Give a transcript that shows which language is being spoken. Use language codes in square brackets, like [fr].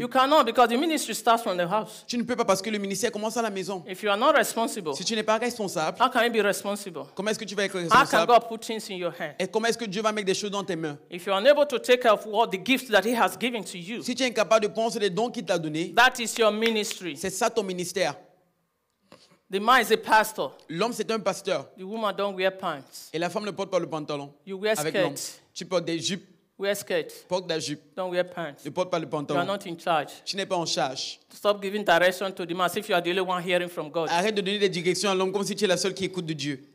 [en] You cannot because the ministry starts from the house. [fr] Tu ne peux pas parce que le ministère commence à la maison. [en] If you are not responsible, [fr] si tu n'es pas responsable, [en] how can you be responsible? [fr] Comment est-ce que tu vas être responsable? [en] How can God put things in your hand? [fr] Et comment est-ce que Dieu va mettre des choses dans tes mains? [en] If you are unable to take care of what the gift that He has given to you, [fr] si tu es incapable de prendre soin des dons qu'il t'a donné, [en] that is your ministry. [fr] C'est ça ton ministère. [en] The man is a pastor. [fr] L'homme c'est un pasteur. [en] The woman don't wear pants. [fr] Et la femme ne porte pas le pantalon. [en] You wear skirts. [fr] Tu portes des jupes. [en] Wear skirt. [fr] Porte la jupe. [en] Don't wear pants. [fr] Ne porte pas le pantalon. [en] You are not in charge. [fr] Tu n'es pas en charge. [en] Stop giving direction to the man as if you are the only one hearing from God. [fr] Arrête de donner des directions à l'homme comme si tu es la seule qui écoute de Dieu.